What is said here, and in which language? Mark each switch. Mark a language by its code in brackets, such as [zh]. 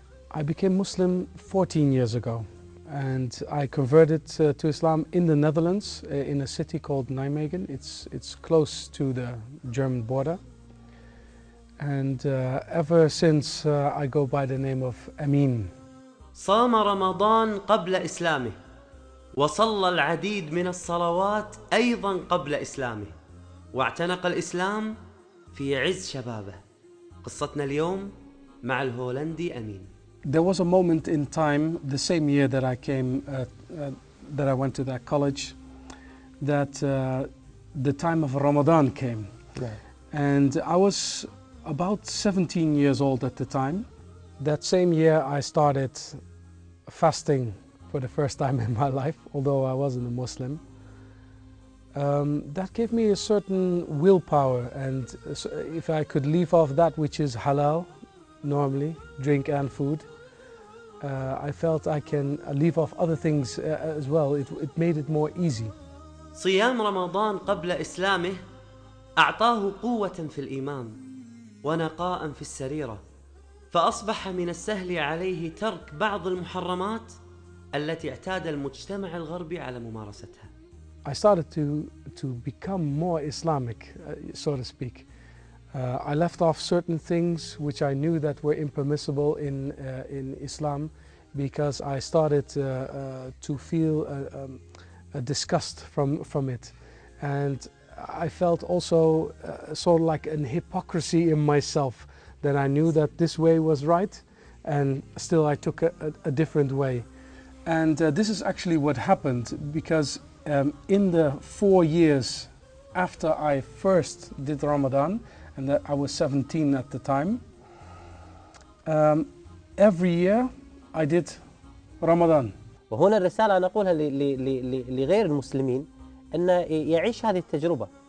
[en] I became Muslim 14 years ago, and I converted to Islam in the Netherlands in a city called Nijmegen. It's close to the German border. And ever since I go by the name of Amin. [ar] صام رمضان قبل إسلامه وصلى العديد من الصلوات أيضا قبل إسلامه واعتنق الإسلام في عز شبابه. قصتنا اليوم مع الهولندي أمين. [en] There was a moment in time the same year that I came that I went to that college that the time of Ramadan came. Right. And I was about 17 years old at the time. That same year I started fasting for the first time in my life, although I wasn't a Muslim. That gave me a certain willpower, and if I could leave off that which is halal, normally, drink and food, I felt I can leave off other things as well. It made it more easy. [ar] صيام رمضان قبل إسلامه أعطاه قوة في الإيمان ونقاء في السريرة فأصبح من السهل عليه ترك بعض المحرمات التي اعتاد المجتمع الغربي على ممارستها. [en] I started to become more Islamic, so to speak. I left off certain things which I knew that were impermissible in Islam, because I started to feel a disgust from it, and I felt also sort of like an hypocrisy in myself. Then I knew that this way was right, and still I took a different way. And this is actually what happened, because in the 4 years after I first did Ramadan, and that I was 17 at the time, every year I did Ramadan. [ar] وهنا الرسالة أنا أقولها لغير المسلمين أن يعيش هذه التجربة.